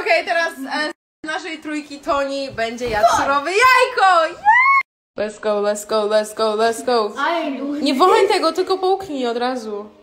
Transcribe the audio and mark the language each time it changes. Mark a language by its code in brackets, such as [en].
[pl] Okay, teraz z naszej trójki Toni będzie jadł surowe jajko! [en] Yeah! Let's go, let's go, let's go, let's go! [pl] Nie wołaj tego, tylko połknij od razu.